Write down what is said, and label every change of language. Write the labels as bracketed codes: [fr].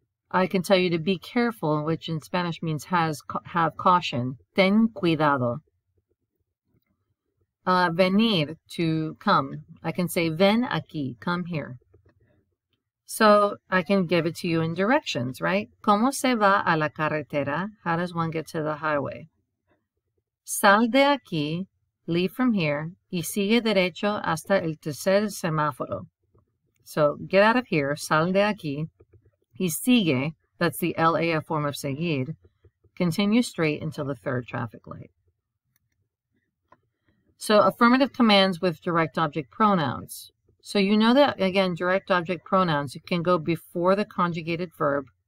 [en] I can tell you to be careful, which in Spanish means has ca have caution. [es] Ten cuidado. [en] Venir, to come. I can say [es] ven aquí, [en] come here. So I can give it to you in directions, right? [es] ¿Cómo se va a la carretera? [en] How does one get to the highway? [es] Sal de aquí, [en] leave from here, [es] y sigue derecho hasta el tercer semáforo. [en] So get out of here, [es] sal de aquí. Y sigue, [en] that's the LAF form of seguir, continue straight until the third traffic light. So affirmative commands with direct object pronouns. So you know that, again, direct object pronouns, it can go before the conjugated verb.